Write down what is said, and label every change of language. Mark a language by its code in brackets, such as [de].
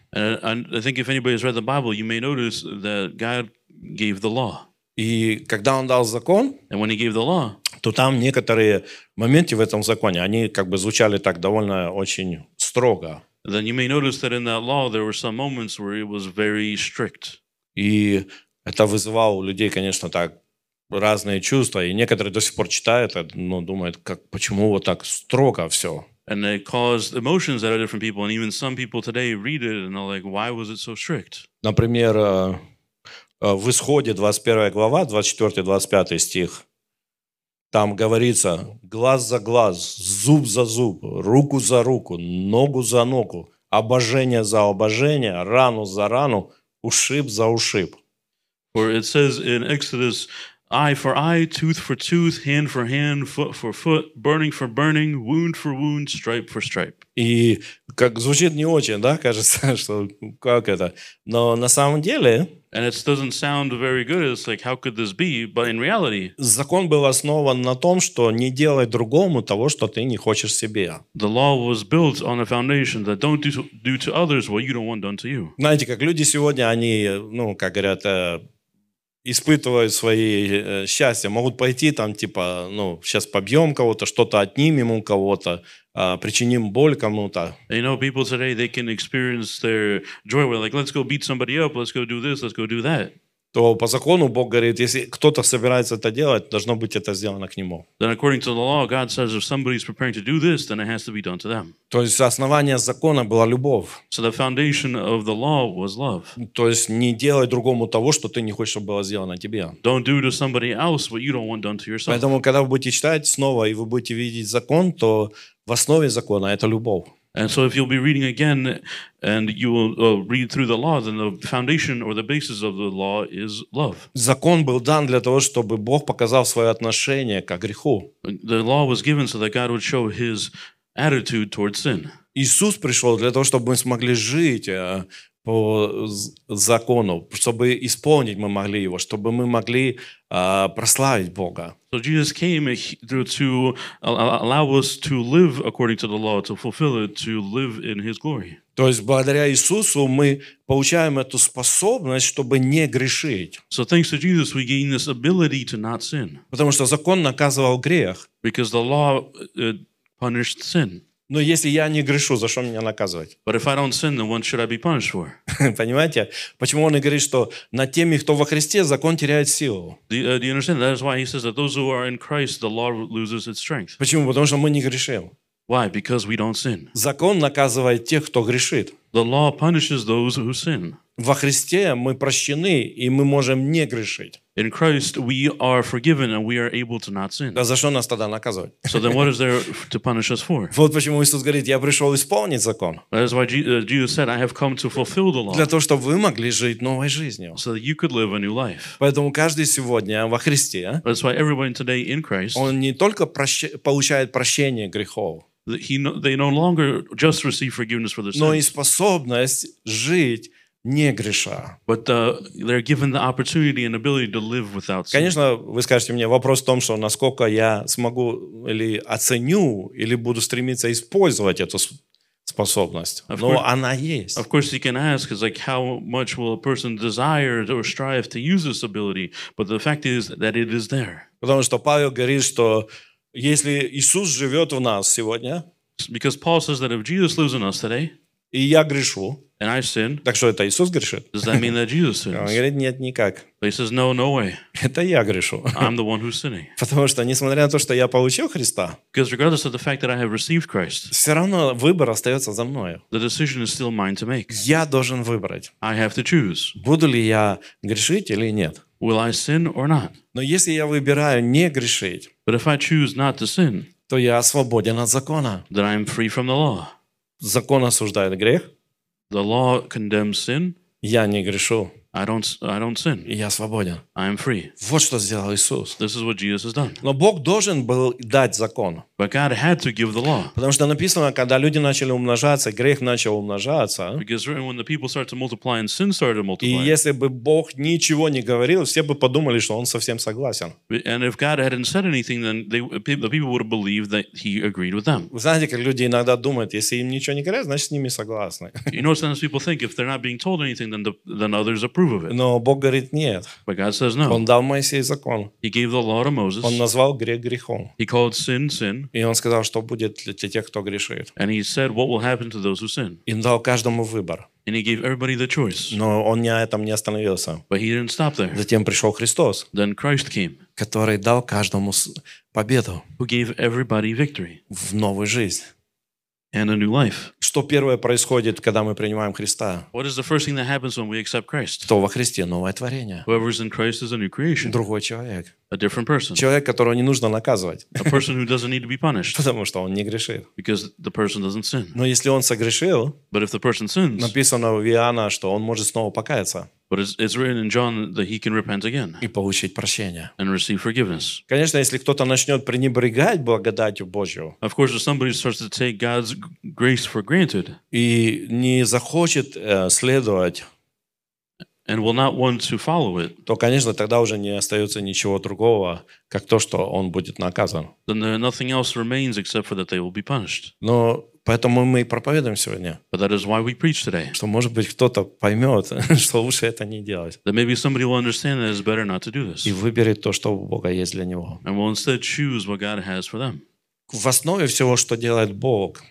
[en] I think if anybody has read the Bible, you may notice that God gave the law. [ru] И когда он дал закон, [en] and when he gave the law, [ru] то там некоторые моменты в этом законе, они как бы звучали так довольно очень строго. [en] Then you may notice that in that law there were some moments where it was very strict. [ru] И это вызывало у людей, конечно, так разные чувства. И некоторые до сих пор читают, но думают, как, почему вот так строго все. [en] And it caused emotions that are different people. And even some people today read it and they're like, why was it so strict? [ru] Например, в Исходе 21 глава, 24-25 стих, там говорится, глаз за глаз, зуб за зуб, руку за руку, ногу за ногу, обожение за обожение, рану за рану, ушиб за ушиб. [en] For it says in Exodus, eye for eye, tooth for tooth, hand for hand, foot for foot, burning for burning, wound for wound, stripe for stripe. [ru] И как звучит не очень, да, кажется, что как это. Но на самом деле... [en] And it doesn't sound very good. It's like, how could this be? But in reality... [ru] Закон был основан на том, что не делай другому того, что ты не хочешь себе. [en] The law was built on a foundation that don't do to others what you don't want done to you. [ru] Знаете, как люди сегодня, они, ну, как говорят... испытывают свои счастья, могут пойти там, типа, ну, сейчас побьем кого-то, что-то отнимем у кого-то, причиним боль кому-то. [en] You know, people today, they can experience their joy, where like, let's go beat somebody up, let's go do this, let's go do that. [ru] То по закону Бог говорит, если кто-то собирается это делать, должно быть это сделано к нему. [en] Then according to the law, God says, if somebody's preparing to do this, then it has to be done to them. [ru] То есть основание закона была любовь. [en] So the foundation of the law was love. [ru] То есть не делай другому того, что ты не хочешь, чтобы было сделано тебе. [en] Don't do to somebody else what you don't want done to yourself. [ru] Поэтому, когда вы будете читать снова, и вы будете видеть закон, то в основе закона это любовь. [en] And so if you'll be reading again and you will read through the law, then the foundation or the basis of the law is love. [ru] Закон был дан для того, чтобы Бог показал свое отношение к греху. [en] The law was given so that God would show his attitude towards sin. [ru] Иисус пришел для того, чтобы мы смогли жить по закону, чтобы исполнить мы могли его, чтобы мы могли прославить Бога. [en] So Jesus came to allow us to live according to the law, to fulfill it, to live in His glory. [ru] То есть благодаря Иисусу мы получаем эту способность, чтобы не грешить. [en] So thanks to Jesus we gain this ability to not sin. [ru] Потому что закон наказывал грех. [en] Because the law punished sin. [ru] Но если я не грешу, за что меня наказывать? [en] But if I don't sin, then what should I be punished for? [ru] Понимаете? Почему он и говорит, что над теми, кто во Христе, закон теряет силу? [en] Do you understand? That is why he says that those who are in Christ, the law loses its strength. [ru] Почему? Потому что мы не грешим. [en] Why? Because we don't sin. [ru] Закон наказывает тех, кто грешит. [en] The law punishes those who sin. [ru] Во Христе мы прощены, и мы можем не грешить. [en] In Christ we are forgiven and we are able to not sin. [ru] Да за что нас тогда наказывать? [en] So then what is there to punish us for? [ru] Вот почему Иисус говорит: я пришел исполнить закон. [en] That is why Jesus said, I have come to fulfill the law. [ru] Для того, чтобы вы могли жить новой жизнью. [en] So that you could live a new life. [ru] Поэтому каждый сегодня во Христе. [en] That's why everyone today in Christ. [ru] Он не только получает прощение грехов. [en] They no longer just receive forgiveness for their sins. [ru] Но и способность жить не греша. [en] But they're given the opportunity and ability to live without sin. [ru] Конечно, вы скажете мне, вопрос в том, что насколько я смогу или оценю, или буду стремиться использовать эту способность. Но она есть. [en] Of course, you can ask, it's like, how much will a person desire or strive to use this ability? But the fact is that it is there. [ru] Потому что Павел говорит, что если Иисус живет в нас сегодня, [en] because Paul says that if Jesus lives in us today, [ru] и я грешу, [en] and I sin, [ru] так что это Иисус грешит? [en] Does that mean that Jesus sins? [ru] Он говорит, нет, никак. [en] But he says, no, no way. [ru] Это я грешу. [en] I'm the one who's sinning. [ru] Потому что, несмотря на то, что я получил Христа, [en] because regardless of the fact that I have received Christ, [ru] все равно выбор остается за мною. [en] The decision is still mine to make. [ru] Я должен выбрать. [en] I have to choose. [ru] Буду ли я грешить или нет? [en] Will I sin or not? [ru] Но если я выбираю не грешить, [en] but if I choose not to sin, [ru] то я свободен от закона. [en] Then I am free from the law. [ru] Закон осуждает грех. [en] The law condemns sin. [ru] Я не грешу. [en] I don't sin. [ru] И я свободен. [en] I am free. [ru] Вот что сделал Иисус. [en] This is what Jesus has done. [ru] Но Бог должен был дать закон. [en] But God had to give the law. [ru] Потому что написано, когда люди начали умножаться, грех начал умножаться. [en] Because when the people started to multiply and sin started to multiply. [ru] И если бы Бог ничего не говорил, все бы подумали, что он совсем согласен. [en] And if God hadn't said anything, then the people would have believed that he agreed with them. [ru] Вы знаете, как люди иногда думают, если им ничего не говорят, значит с ними согласны. [en] You know, sometimes people think if they're not being told anything, then others approve of it. [ru] Но Бог говорит нет. [en] But God says no. [ru] Он дал Моисею закон. [en] He gave the law to Moses. [ru] Он назвал грех грехом. [en] He called sin sin. [ru] И он сказал, что будет для тех, кто грешит. [en] And he said, what will happen to those who sin? [ru] И дал каждому выбор. [en] And he gave everybody the choice. [ru] Но он на этом не остановился. [en] But he didn't stop there. [ru] Затем пришел Христос. [en] Then Christ came. [ru] Который дал каждому победу. [en] Who gave everybody victory. [ru] В новую жизнь. [en] And a new life. [ru] Что первое происходит, когда мы принимаем Христа? [en] What is the first thing that happens when we accept Christ? [ru] Кто во Христе? Новое творение. [en] Whoever is in Christ is a new creation. [ru] Другой человек. [en] A different person. [ru] Человек, которого не нужно наказывать. [en] A person who doesn't need to be punished. [ru] Потому что он не грешит. [en] Because the person doesn't sin. [ru] Но если он согрешил, [en] but if the person sins, [ru] написано в Иоанна, что он может снова покаяться. [en] But it's written in John that he can repent again. [ru] И получить прощение. [en] And receive forgiveness. [ru] Конечно, если кто-то начнет пренебрегать благодатью Божью. [en] Of course, if somebody starts to take God's grace for granted. [ru] И не захочет следовать. [en] And will not want to follow it. [ru] То, конечно, тогда уже не остается ничего другого, как то, что он будет наказан. [en] Then there nothing else remains except for that they will be punished. [ru] Но поэтому мы и проповедуем сегодня. [en] But that is why we preach today. [ru] Что, может быть, кто-то поймет, что лучше это не делать. [en] That maybe somebody will understand that it's better not to do this. [ru] И выберет то, что у Бога есть для него. [en] And will instead choose what God has for them. [ru] В основе всего, что делает Бог,